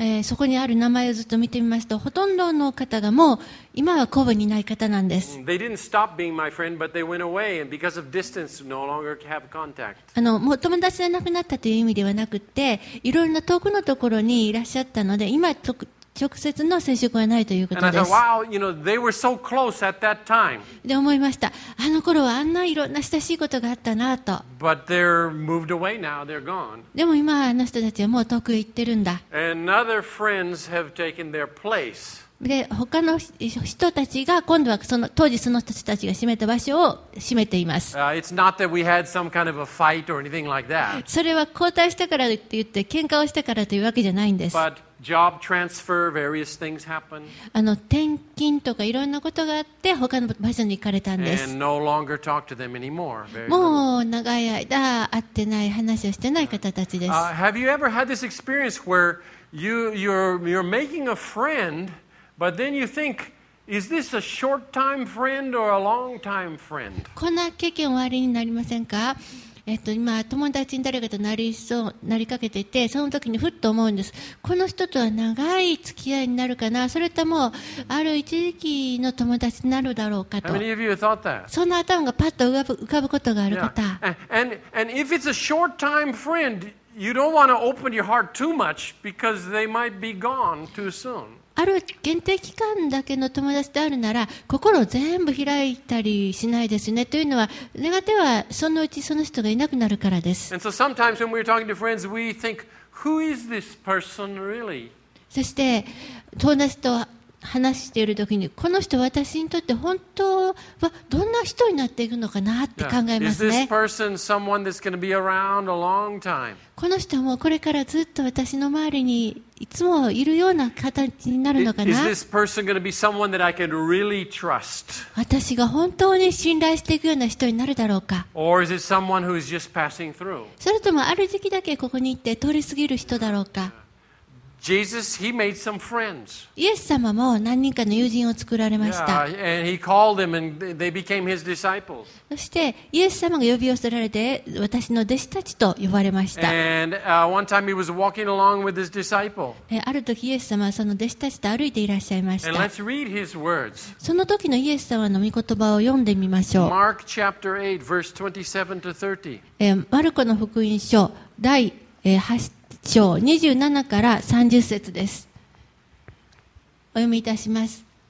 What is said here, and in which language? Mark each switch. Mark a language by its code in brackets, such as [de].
[ja] そこにある名前をずっと見てみますと、ほとんどの方がもう今は神戸にいない方なんです。 [en] They didn't stop being my friend, but they went away, and because of distance, no longer have contact. [ja] もう友達じゃなくなったという意味ではなくて、いろいろな遠くのところにいらっしゃったので、今直接の接触はないということです。 [en] And I thought, wow, you know, they were so close at that time. [ja] で思いました。あの頃はあんないろんな親しいことがあったなと。 [en] But they're moved away now. They're gone. [ja] でも今あの人たちはもう遠く行ってるんだ。 [en] And other friends have taken their place. [ja] で他の人たちが今度はその当時その人たちが占めた場所を占めています。それは交代したからって言って喧嘩をしたからというわけじゃないんです。 [en] But job transfer, various things happen. [ja] 転勤とかいろんなことがあって他の場所に行かれたんです。 [en] And no longer talk to them anymore. [ja] もう長い間会ってない話をしてない方たちです。 [en] Have you ever had this experience where you're making a friend? But then you think, is this a short-time friend or a long-time friend? [ja] こんな経験おありになりませんか？今友達に誰かとなりかけていて、その時にふっと思うんです。この人とは長い付き合いになるかな、それともある一時期の友達になるだろうかと。 [en] How many of you thought that? [ja] そんな頭がパッと浮かぶことがある方。 [en] Yeah. And if it's a short-time friend, you don't want to open your heart too much because they might be gone too soon. [ja] ある限定期間だけの友達であるなら心を全部開いたりしないですね。というのは願ってはそのうちその人がいなくなるからです。そして友達と話している時にこの人私にとって本当はどんな人になっていくのかなって考えますね。 [en] Is this person someone that's going to be around a long time? [ja] この人もこれからずっと私の周りにいつもいるような形になるのかな。 [en] Is this person going to be someone that I can really trust? [ja] 私が本当に信頼していくような人になるだろうか。 [en] Or is it someone who's just passing through? [ja] それともある時期だけここに行って通り過ぎる人だろうか。 [en] Jesus, he made some friends. [ja] イエス様も何人かの友人を作られました。 [en] Yeah, and he called them and they became his disciples. [ja] そしてイエス様が呼び寄せられて私の弟子たちと呼ばれました。 [en] And one time he was walking along with his disciple. [ja] ある時イエス様はその弟子たちと歩いていらっしゃいました。 [en] And let's read his words. [ja] その時のイエス様の御言葉を読んでみましょう。 [en] Mark chapter 8, verse 27 to 30. [ja] マルコの福音書第8章27から30節です。お読みいたします。